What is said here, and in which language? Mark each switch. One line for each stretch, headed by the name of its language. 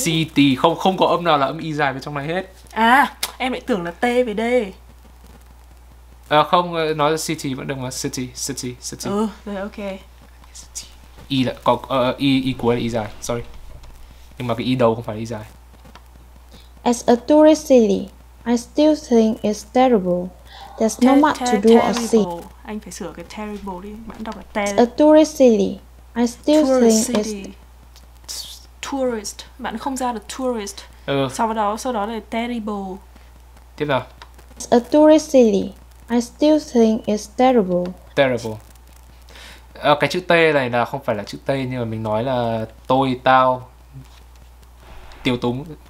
Vietnamese: City, không có âm nào là âm y dài vào trong này hết. À, em lại tưởng là T với D. À, không, nói là city vẫn được mà.
English: City.
Vietnamese: Ừ, rồi, ok. City. Y là, có, y cuối là y dài, sorry. Nhưng mà cái y đầu không phải y dài.
English: As a tourist city, I still think it's terrible. There's not much to do or see.
Vietnamese: Anh phải sửa cái terrible đi, bạn đọc là T.
English: As a tourist city, I still think it's...
Vietnamese: Tourist, bạn không ra được tourist. Ừ. Sau đó là terrible. Tiếp nào.
English: It's a tourist city. I still think it's terrible. Terrible.
Vietnamese: À, cái chữ T này là không phải là chữ T nhưng mà mình nói là tôi, tao, tiêu túng.